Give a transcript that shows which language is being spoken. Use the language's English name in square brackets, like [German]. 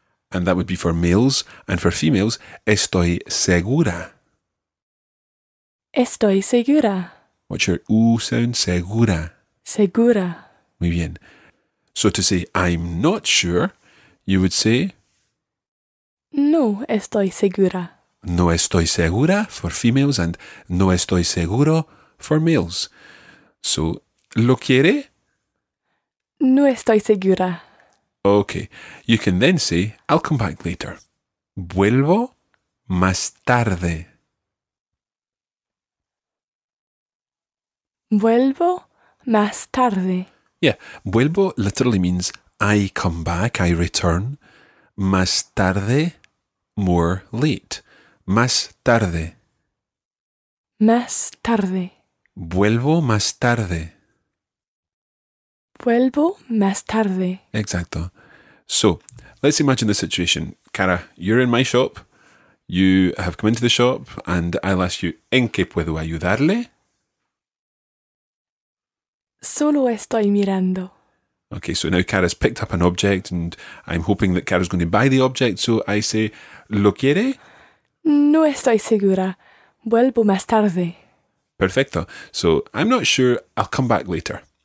[English] And that would be for males, and for females, [Spanish] estoy segura. Estoy segura. [English] What's your U sound? Segura. [Spanish] Segura. Muy bien. [English] So to say "I'm not sure," you would say, [Spanish] "No estoy segura." No estoy segura [English] for females and [Spanish] no estoy seguro [English] for males. So, [Spanish] ¿Lo quiere? No estoy segura. [English] Okay. You can then say, I'll come back later. [Spanish] Vuelvo más tarde. Vuelvo más tarde. [English] Yeah. Vuelvo literally means I come back, I return. [Spanish] Más tarde, [English] more late. [Spanish] Más tarde. Más tarde. Vuelvo más tarde. Vuelvo más tarde. Exacto. [English] So, let's imagine the situation. Cara, you're in my shop. You have come into the shop and I'll ask you, [Spanish] ¿en qué puedo ayudarle? Solo estoy mirando. [English] Okay, so now Cara's picked up an object and I'm hoping that Cara's going to buy the object. So I say, [Spanish] ¿lo quiere? No estoy segura. Vuelvo más tarde. Perfecto. [English] So, I'm not sure. I'll come back later.